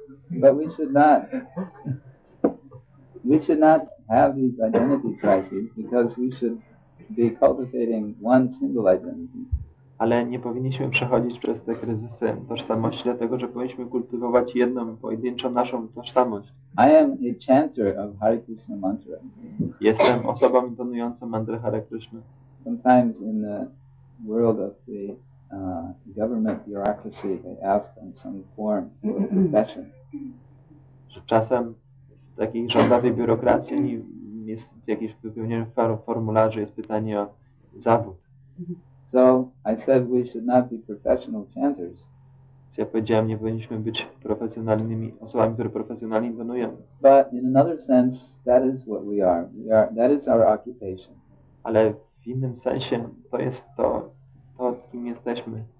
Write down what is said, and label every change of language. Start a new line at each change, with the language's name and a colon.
English: But we should not have these identity crises because we should be cultivating one single identity.
Polish: Ale nie powinniśmy przechodzić przez te kryzysy tożsamości, dlatego że powinniśmy kultywować jedną, pojedynczą naszą tożsamość.
English: I am a chanter of Hare Krishna mantra.
Polish: Jestem osobą intonującą mantrę Hare Krishna.
English: Sometimes in the world of the government bureaucracy, they ask in some form for a profession.
Polish: Czasem w takiej rządowej biurokracji jest w jakiejś wypełnionym formularzu jest pytanie o zawód.
English: So I said we should not be professional chanters.
Polish: Więc ja powiedziałem, nie powinniśmy być profesjonalnymi osobami, które profesjonalnie intonują.
English: But in another sense, that is what we are. We are. That is our occupation.
Polish: Ale w innym sensie to jest to kim jesteśmy.